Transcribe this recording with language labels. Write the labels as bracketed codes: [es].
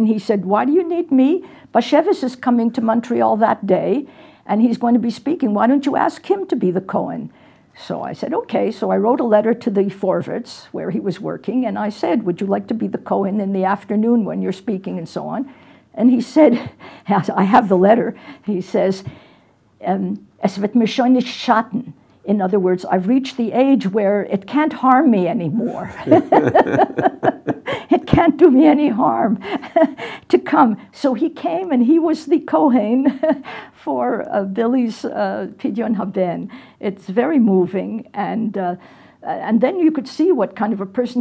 [en] And he said, why do you need me? Bashevis is coming to Montreal that day, and he's going to be speaking. Why don't you ask him to be the kohen? So I said, okay. So I wrote a letter to the Forvitz, where he was working, and I said, would you like to be the kohen in the afternoon when you're speaking and so on? And he said, I have the letter. He says, [yi] es wird mir schon nicht schaden. [en] In other words, I've reached the age where it can't harm me anymore. It can't do me any harm to come. So he came, and he was the kohen for Billy's pidyon haben. It's very moving, and then you could see what kind of a person.